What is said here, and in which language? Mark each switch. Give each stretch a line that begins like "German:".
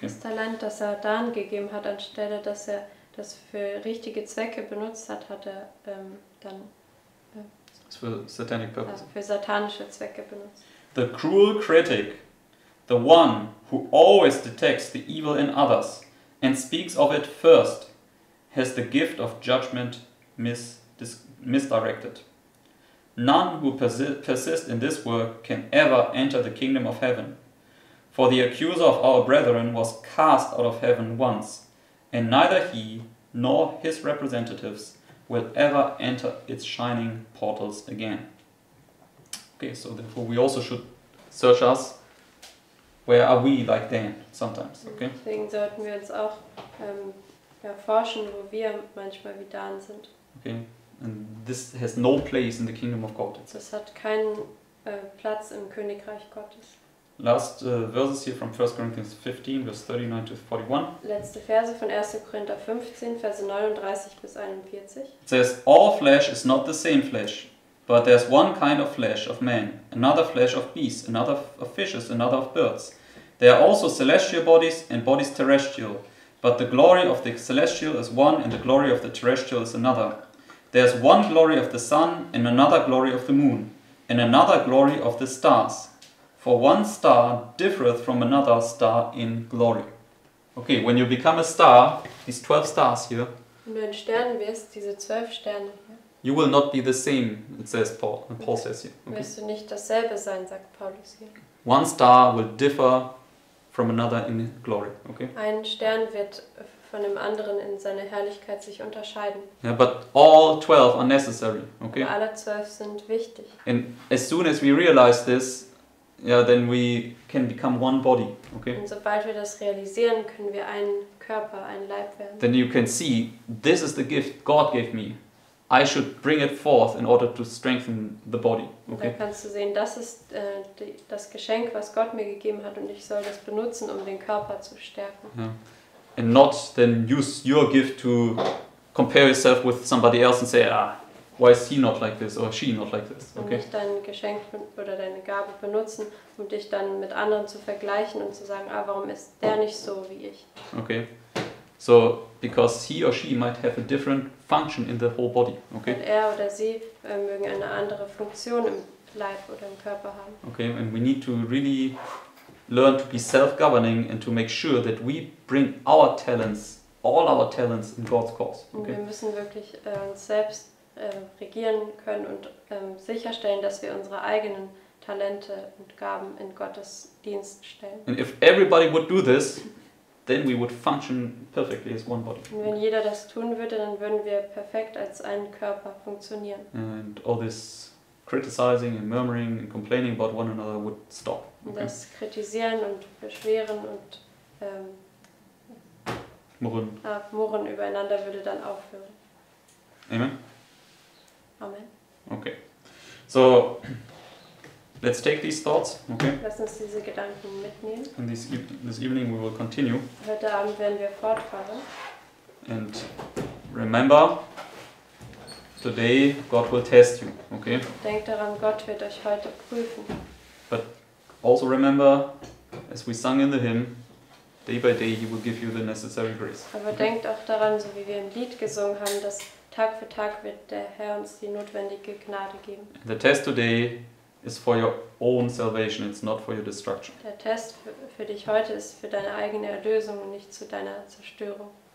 German: Das Talent, das er Dan gegeben hat, anstelle, dass er das für richtige Zwecke benutzt hat, hat er dann...
English: For satanic purposes.
German: Für satanische Zwecke benutzt.
English: The cruel critic, the one who always detects the evil in others and speaks of it first, has the gift of judgment misdirected. None who persist in this work can ever enter the kingdom of heaven. For the accuser of our brethren was cast out of heaven once, and neither he nor his representatives will ever enter its shining portals again. Okay, so therefore we also should search us. Where are we like Dan sometimes? Okay.
German: Deswegen sollten wir uns auch erforschen, wo wir manchmal wie Dan sind.
English: Okay. And this has no place in the kingdom of God.
German: Das hat keinen Platz im Königreich Gottes.
English: Last verses here from 1 Corinthians 15, verse 39 to 41.
German: Letzte Verse von 1. Korinther 15, Verse 39 bis 41.
English: It says, all flesh is not the same flesh, but there's one kind of flesh of man, another flesh of beasts, another of fishes, another of birds. There are also celestial bodies and bodies terrestrial, but the glory of the celestial is one and the glory of the terrestrial is another. There's one glory of the sun and another glory of the moon and another glory of the stars. For one star differeth from another star in glory. Okay, when you become a star, these 12 stars here.
German: Wenn du ein Stern wirst, diese 12 Sterne hier.
English: You will not be the same, it says Paul says here. Okay.
German: Wirst du nicht dasselbe sein, sagt Paulus hier.
English: One star will differ from another in glory. Okay.
German: Ein Stern wird von dem anderen in seiner Herrlichkeit sich unterscheiden.
English: Yeah, but all 12 are necessary, okay?
German: Und alle 12 sind wichtig.
English: And as soon as we realize this, yeah, then we can become one body, okay?
German: Und sobald wir das realisieren, können wir ein Körper, ein Leib werden.
English: Then you can see, this is the gift God gave me. I should bring it forth in order to strengthen the body. Okay.
German: Dann kannst du sehen, das ist das Geschenk, was Gott mir gegeben hat, und ich soll das benutzen, um den Körper zu stärken.
English: Yeah. And not then use your gift to compare yourself with somebody else and say, ah, why is he not like this or she not like this? Okay.
German: Und nicht dein Geschenk oder deine Gabe benutzen, um dich dann mit anderen zu vergleichen und zu sagen, ah, warum ist der nicht so wie ich?
English: Okay. So, because he or she might have a different function in the whole body, okay?
German: Und er oder sie mögen eine andere Funktion im Leib oder im Körper haben.
English: Okay, and we need to really learn to be self-governing and to make sure that we bring our talents, all our talents in God's cause, okay?
German: Und wir müssen wirklich uns selbst regieren können und sicherstellen, dass wir unsere eigenen Talente und Gaben in Gottes Dienst stellen.
English: And if everybody would do this, then we would function perfectly as one body.
German: Und wenn jeder das tun würde, dann würden wir perfekt als einen Körper funktionieren.
English: And all this criticizing and murmuring and complaining about one another would stop. Okay?
German: Und das Kritisieren und Beschweren und murren übereinander würde dann aufhören. Amen. Amen.
English: Okay. So, let's take these thoughts, okay?
German: Lass uns diese Gedanken mitnehmen.
English: And this evening we will continue.
German: Heute Abend werden wir fortfahren.
English: And remember, today God will test you, okay?
German: Denk daran, Gott wird euch heute prüfen.
English: But also remember, as we sung in the hymn, day by day he will give you the necessary grace.
German: Aber okay? Denkt auch daran, so wie wir im Lied gesungen haben, dass Tag für Tag wird der Herr uns die notwendige Gnade geben.
English: The test today is for your own salvation, it's not for your destruction.
German: Der Test für dich heute ist für deine eigene Erlösung und nicht zu deiner Zerstörung.